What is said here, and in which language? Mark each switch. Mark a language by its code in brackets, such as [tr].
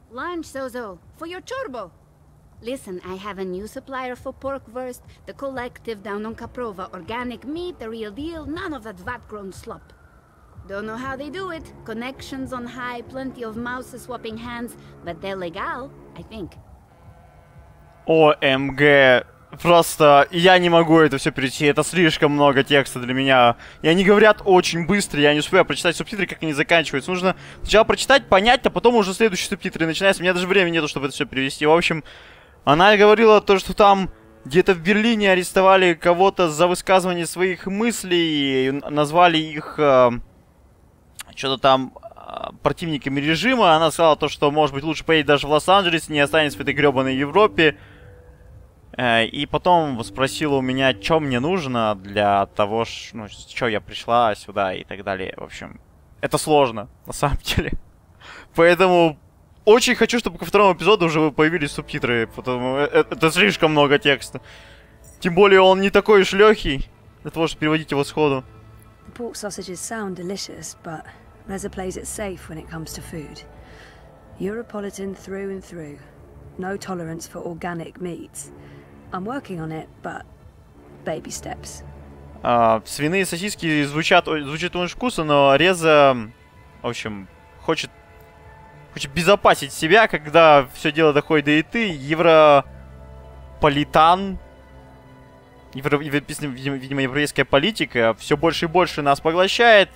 [en] Lunch, Zozo. For your chorbo. Listen, I have a new supplier for Porkwurst, the collective down on Kaprova. Organic meat, the real deal, none of that vat-grown slop. Don't know how they do it. Connections on high, plenty of mouses swapping hands, but they're legal, I think. OMG. [ru] Просто я не могу это все перейти. Это слишком много текста для меня. И они говорят очень быстро. Я не успею прочитать субтитры, как они заканчиваются. Нужно сначала прочитать, понять, а потом уже следующие субтитры начинаются. У меня даже времени нету, чтобы это все перевести. В общем, она говорила то, что там где-то в Берлине арестовали кого-то за высказывание своих мыслей. И назвали их... что-то там противниками режима. Она сказала то, что может быть лучше поедет даже в Лос-Анджелес, не останется в этой гребаной Европе. И потом спросила у меня, что мне нужно для того, ну, что я пришла сюда и так далее. В общем, это сложно, на самом деле. Поэтому очень хочу, чтобы ко второму эпизоду уже появились субтитры, потому это слишком много текста. Тем более он не такой уж легкий для того, чтобы переводить его сходу. [en] Pork sausages sound delicious, but Reza plays it safe when it comes to food. Europolitan through and through. No tolerance for organic meats. I'm working on it, but baby steps. [ru] Свиные сосиски звучат очень вкусно, но Реза, в общем, хочет безопасить себя, когда все дело доходит до еды. Европолитан. Видимо, европейская политика все больше и больше нас поглощает.